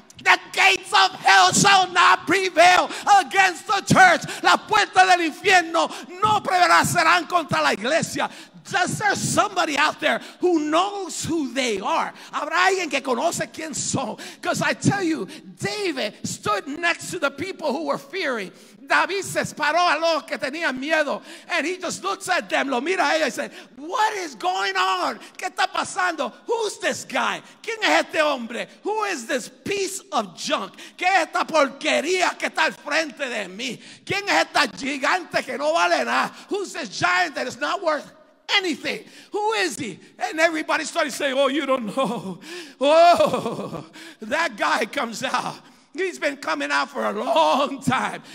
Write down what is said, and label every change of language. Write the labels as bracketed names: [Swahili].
[English] The gates of hell shall not prevail against the church. [Spanish] La puerta del infierno no prevalecerán contra la iglesia. [English] Is there somebody out there who knows who they are? Habrá alguien que conoce quién son? Because I tell you, David stood next to the people who were fearing. [Spanish] David se paró a los que tenían miedo. [English] And he just looks at them, lo mira a ellos y dice, what is going on? [Spanish] ¿Qué está pasando? Who's this guy? ¿Quién es este hombre? [English] Who is this piece of junk? [Spanish] ¿Qué es esta porquería que está al frente de mí? ¿Quién es esta gigante que no vale nada? [English] Who's this giant that is not worth anything? Who is he? And everybody started saying, oh, you don't know. Oh, that guy comes out. He's been coming out for a long time.